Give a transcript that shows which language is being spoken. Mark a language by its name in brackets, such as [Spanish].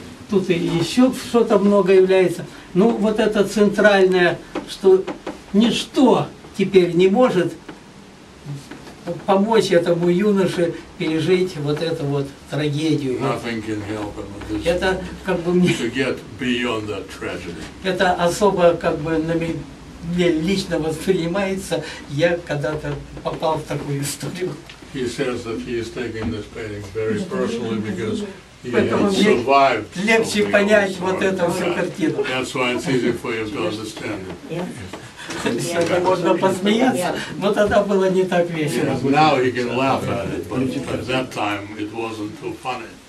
[Russian] Тут и еще что-то много является. Ну, вот это центральное, что ничто теперь не может помочь этому юноше пережить вот эту вот трагедию. [English] Nothing can help him with this. [Russian] Это как бы мне [English] to get beyond that tragedy. [Russian] Это особо как бы мне лично воспринимается. Я когда-то попал в такую историю. [English] He says that he is taking this painting very personally because he had survived. [Russian] Легче понять вот эту всю картину. [English] That's why it's easy for you to understand it. [Russian] Сегодня можно посмеяться, но тогда было не так весело. [English] Yes, now he can laugh at it, but at that time it wasn't too funny.